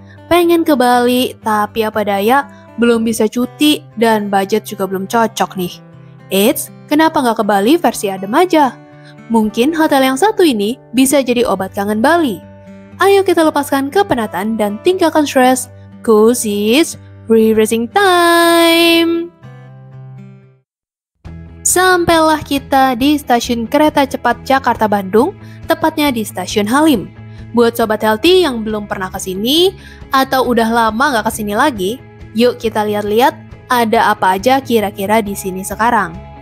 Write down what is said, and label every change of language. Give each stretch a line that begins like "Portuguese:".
Indonesian: Pengen ke Bali, tapi apa daya, belum bisa cuti dan budget juga belum cocok nih. Eits, kenapa nggak ke Bali versi adem aja? Mungkin hotel yang satu ini bisa jadi obat kangen Bali. Ayo kita lepaskan kepenatan dan tinggalkan stres.
English: Cozy is refreshing time!
Indonesian: Sampailah kita di stasiun kereta cepat Jakarta-Bandung, tepatnya di stasiun Halim. Buat Sobat Healthy yang belum pernah kesini, atau udah lama gak kesini lagi, yuk kita lihat-lihat ada apa aja kira-kira di sini sekarang.